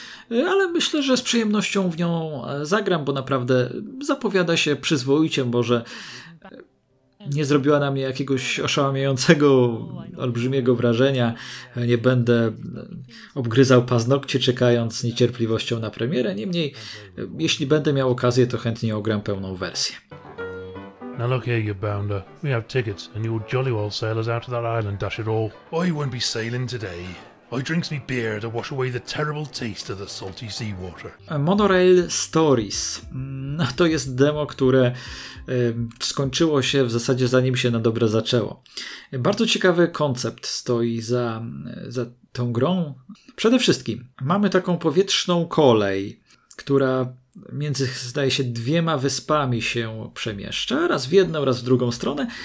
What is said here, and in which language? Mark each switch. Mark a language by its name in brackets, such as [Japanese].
[Polish] Ale myślę, że z przyjemnością w nią zagram, bo naprawdę zapowiada się przyzwoicie, może nie zrobiła na mnie jakiegoś oszałamiającego, olbrzymiego wrażenia. Nie będę obgryzał paznokcie, czekając z niecierpliwością na premierę. Niemniej, jeśli będę miał okazję, to chętnie ogram pełną wersję. [English] Now look here, you bounder. We have tickets and you jolly well sailors out to that island, dash it all. I won't be sailing today. I drinks me beer to wash away the terrible taste of the salty seawater. Monorail Stories. [Polish] No to jest demo, które skończyło się w zasadzie zanim się na dobre zaczęło. Bardzo ciekawy koncept stoi za tą grą. Przede wszystkim mamy taką powietrzną kolej, która między, zdaje się, dwiema wyspami się przemieszcza, raz w jedną, raz w drugą stronę.